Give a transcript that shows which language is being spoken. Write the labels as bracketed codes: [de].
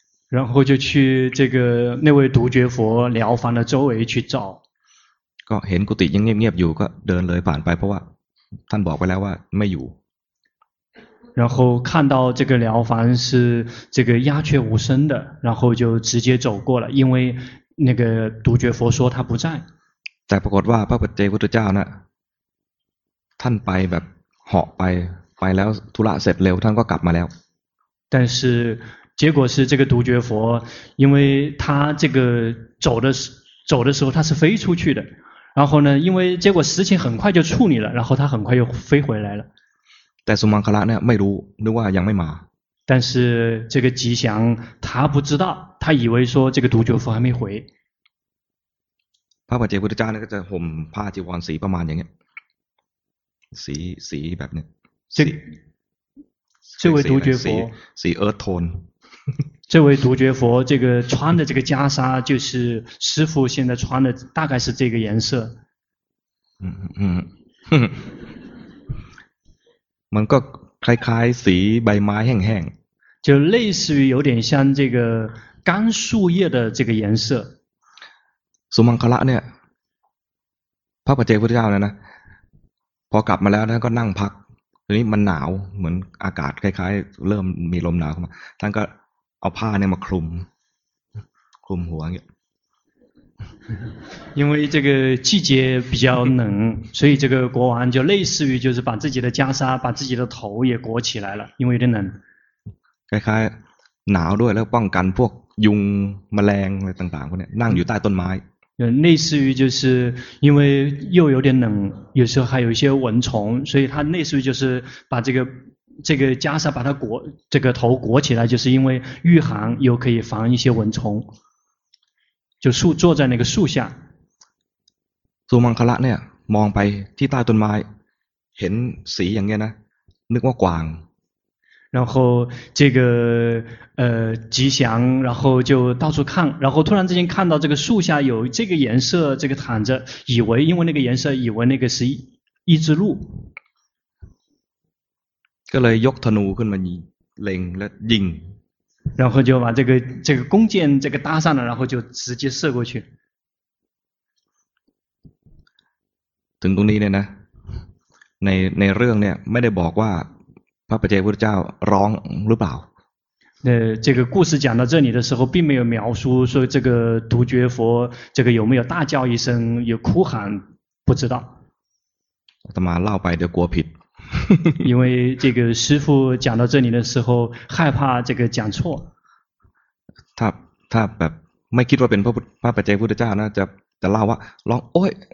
[zh] 然后就去这个那位独觉佛寮房的周围去找。 [th] ก็เห็นกุฏิยังเงียบๆอยู่ก็เดินเลยผ่านไปเพราะว่าท่านบอกไปแล้วว่าไม่อยู่ [zh] 然后看到这个寮房是这个鸦雀无声的，然后就直接走过了，因为那个独觉佛说他不在。 [th] แต่ปรากฏว่าพระปัจเจกพุทธเจ้านะท่านไปแบบเหาะไปแล้วธุระเสร็จเร็วท่านก็กลับมาแล้ว [zh] 但是结果是这个独觉佛，因为他这个走的时候他是飞出去的，然后呢，因为结果事情很快就处理了，然后他很快又飞回来了。 [th] แต่สุมังคละเนี่ยไม่รู้นึกว่ายังไม่มา [zh] 但是这个吉祥他不知道，他以为说这个独觉佛还没回。 [th] พระปัจเจกพุทธเจ้าเนี่ยก็จะห่มผ้าจีวรสีประมาณอย่างเงี้ยสีแบบเนี้ย [zh] 这位独觉佛 [en] 是 earth tone。 [zh] 这位独觉佛这个穿的这个袈裟，就是师父现在穿的，大概是这个颜色。 [th] 嗯嗯，哼，มันก็คล้ายๆสีใบไม้แห้ง [zh] ๆ就类似于有点像这个干树叶的这个颜色。 [th] สุมังคละเนี่ยพระปัจเจกพุทธเจ้านะพอกลับมาแล้วท่านก็นั่งพักทีนี้มันหนาวเหมือนอากาศคล้ายๆเริ่มมีลมหนาวเข้ามาท่านก็เอาผ้าเนี่ยมาคลุมหัวเนี่ย [zh] 因为这个季节比较冷，所以这个国王就类似于就是把自己的袈裟、把自己的头也裹起来了，因为有点冷。 [th] คล้ายๆหนาวด้วยแล้วป้องกันพวกยุงแมลงอะไรต่างๆพวกนี้นั่งอยู่ใต้ต้นไม้ [zh] 类似于就是因为又有点冷，有时候还有一些蚊虫，所以他类似于就是把这个袈裟把它裹这个头裹起来，就是因为御寒又可以防一些蚊虫。就树坐在那个树下。苏曼卡拉呢，望 [th] ไปที่ใต้ต้นไม้เห็นสีอย่างเงี้ยนะนึกว่ากวาง [zh] 然后这个吉祥，然后就到处看，然后突然之间看到这个树下有这个颜色，这个躺着，因为那个颜色，以为那个是一只鹿。 [th] ก็เลยยกธนูขึ้นมาเล็งและยิง。 [zh] 然后就把这个弓箭这个搭上了，然后就直接射过去。 [th] ถึงตรงนี้เนี่ยนะในเรื่องเนี่ยไม่ได้บอกว่าพระปัจเจกพุทธเจ้าร้องหรือเปล่า [zh] 这个故事讲到这里的时候并没有描述说这个独觉佛这个有没有大叫一声有哭喊不知道 [th] อาตมาเล่าไปเดี๋ยวกลัวผิด [zh] 因为这个师父讲到这里的时候害怕这个讲错 [th] ถ้าแบบไม่คิดว่าเป็นพระปัจเจกพุทธเจ้านะจะเล่าว่าร้องโอ้ย